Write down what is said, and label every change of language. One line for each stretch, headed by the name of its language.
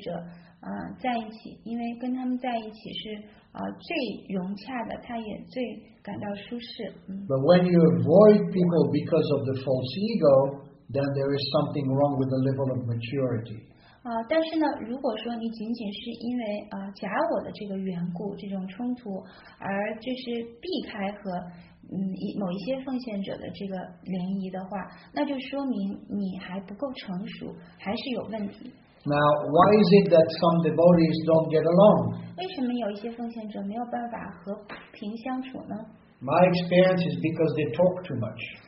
Chinese: 即便是还有其他的一些联谊的选择，但是他还是非常喜欢和这一小群奉献者在一起，因为跟他们在一起是。
English: But when you avoid people because of the false ego, then there is something wrong with the level of maturity.
Chinese: 但是呢，如果说你仅仅是因为假我的这个缘故，这种冲突，而就是避开和某一些奉献者的这个联谊的话，那就说明你还不够成熟，还是有问题。
English: Now, why is it that some devotees don't get along?
Chinese: 为什么有一些奉献者没有办法和平相处呢？
English: My experience is because they talk too much.